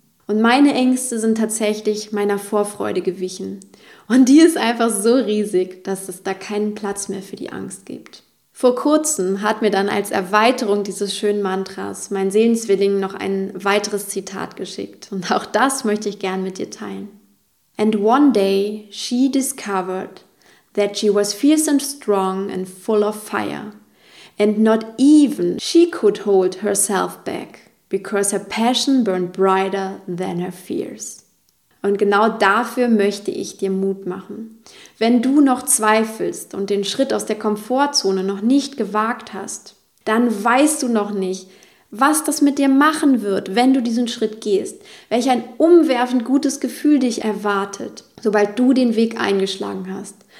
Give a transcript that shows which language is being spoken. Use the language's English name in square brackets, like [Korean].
[German] Und meine Ängste sind tatsächlich meiner Vorfreude gewichen. Und die ist einfach so riesig, dass es da keinen Platz mehr für die Angst gibt. Vor kurzem hat mir dann als Erweiterung dieses schönen Mantras mein Seelenzwilling noch ein weiteres Zitat geschickt. Und auch das möchte ich gern mit dir teilen. [English] And one day she discovered that she was fierce and strong and full of fire. And not even she could hold herself back, because her passion burned brighter than her fears. [German] Und genau dafür möchte ich dir Mut machen. Wenn du noch zweifelst und den Schritt aus der Komfortzone noch nicht gewagt hast, dann weißt du noch nicht, was das mit dir machen wird, wenn du diesen Schritt gehst, welch ein umwerfend gutes Gefühl dich erwartet, sobald du den Weg eingeschlagen hast.